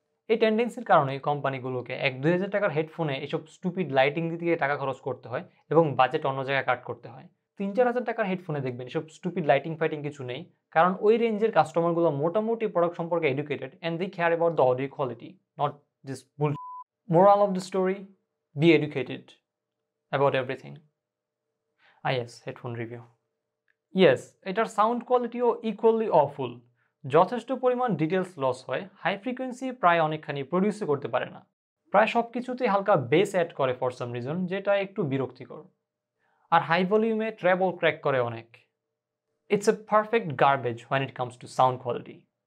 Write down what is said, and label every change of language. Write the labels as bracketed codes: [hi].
[bn] এই টেন্ডেন্সির কারণে কোম্পানিগুলোকে 1-2 হাজার টাকার হেডফোনে এসব স্টুপিড লাইটিং দিতে গিয়ে টাকা খরচ করতে হয় এবং বাজেট অন্য জায়গায় কাট করতে হয়। 3-4 হাজার টাকার হেডফোনে দেখবেন এসব স্টুপিড লাইটিং ফাইটিং কিছু নেই, কারণ ওই রেঞ্জের কাস্টমারগুলো মোটামুটি প্রোডাক্ট সম্পর্কে educated [en] And they care about the audio quality, not this bull. Moral of the story, be educated about everything. Ah yes, headphone review. [bn] Yes, এটার সাউন্ড কোয়ালিটিও [en] Equally awful. [bn] যথেষ্ট পরিমাণ ডিটেলস লস হয়, হাই ফ্রিকোয়েন্সি প্রায় অনেকখানি প্রডিউসই করতে পারে না। প্রায় সব কিছুতেই হালকা বেস অ্যাড করে [en] for some reason, [bn] যেটা একটু বিরক্তিকর। আর হাই ভলিউমে ট্রেবল ক্র্যাক করে অনেক। [en] It's a perfect garbage when it comes to sound quality.